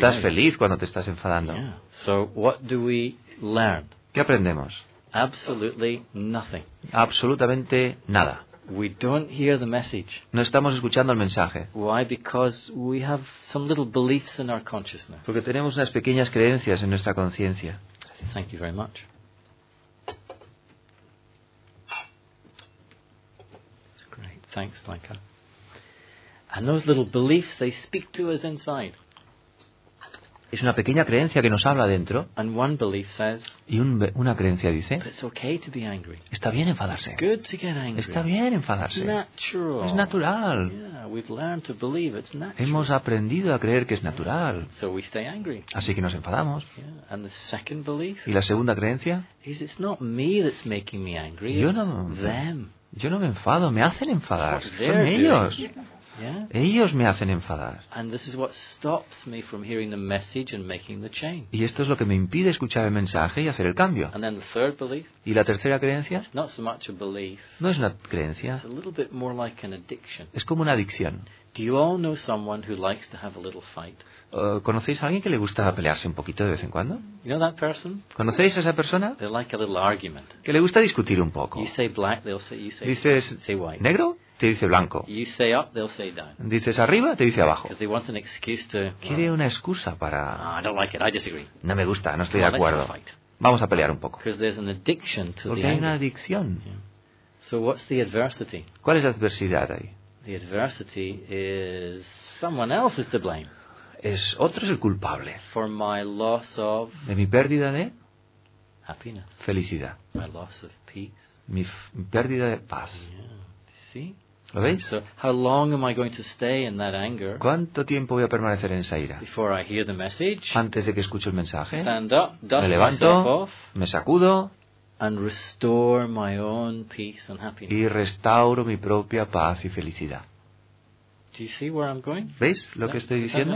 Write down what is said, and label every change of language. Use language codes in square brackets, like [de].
[es] No estás feliz cuando te estás enfadando. [en] Yeah. So what do we learn? [es] ¿Qué aprendemos? [en] Absolutely nothing. [es] Absolutamente nada. [en] We don't hear the message. [es] No estamos escuchando el mensaje. [en] Why? Because we have some little beliefs in our consciousness. [es] Porque tenemos unas pequeñas creencias en nuestra conciencia. [en] Thank you very much. That's great. Thanks, Blanca. And those little beliefs, they speak to us inside. [es] Es una pequeña creencia que nos habla dentro. [en] And one belief says, [es] y una creencia dice, [en] but it's okay to be angry. [es] Está bien enfadarse. [en] It's good to get angry. [es] Está bien enfadarse. [en] It's natural. [es] Es natural. [en] Yeah, we've learned to believe it's natural. [es] Hemos aprendido a creer que es natural. [en] Yeah. So we stay angry. [es] Así que nos enfadamos. [en] Yeah. And the second belief, [es] y la segunda creencia [en] is it's not me that's making me angry, [es] yo no, [en] them. [es] Yo no me enfado, me hacen enfadar. Son ellos. [en] Doing. Yeah? [es] Ellos me hacen enfadar. [en] And this is what stops me from hearing the message and making the change. [es] Y esto es lo que me impide escuchar el mensaje y hacer el cambio. [en] And then the third belief. [es] Y la tercera creencia. [en] It's not so much a belief. [es] No es una creencia. [en] It's a little bit more like an addiction. [es] Es como una adicción. [en] Do you all know someone who likes to have a little fight? [es] ¿Conocéis a alguien que le gusta pelearse un poquito de vez en cuando? [en] You know that person? [es] ¿Conocéis a esa persona? [en] They like a little argument. [es] Que le gusta discutir un poco. [en] You say black, they'll say you say. [es] Dices [en] black, say white. [es] Negro. Te dice blanco. [en] You say up, they'll say down. [es] Dices arriba, te dice abajo. [en] They want an excuse to, well, [es] quiere una excusa para... [en] Oh, I don't like it, I disagree. [es] No me gusta, no estoy de acuerdo. Vamos a pelear un poco. [en] Because there's an addiction to [es] Porque [en] the [es] hay [en] anger. [es] Una adicción. [en] Yeah. So what's the adversity? [es] ¿Cuál es la adversidad ahí? [en] The adversity is someone else is to blame. [es] Es otro es el culpable. [en] For my loss of... [es] De mi pérdida de... [en] Happiness. [es] Felicidad. [en] My loss of peace. [es] Mi pérdida de paz. [en] Yeah. [es] ¿Lo veis? [en] So how long am I going to stay in that anger? [es] ¿Cuánto tiempo voy a permanecer en esa ira? [en] Before I hear the message. [es] Antes de que escuche el mensaje. [en] Stand up, dust [es] me levanto, me sacudo, [en] and restore my own peace and happiness. [es] Y restauro mi propia paz y felicidad. [en] Do you see where I'm going? [es] ¿Veis lo que estoy diciendo?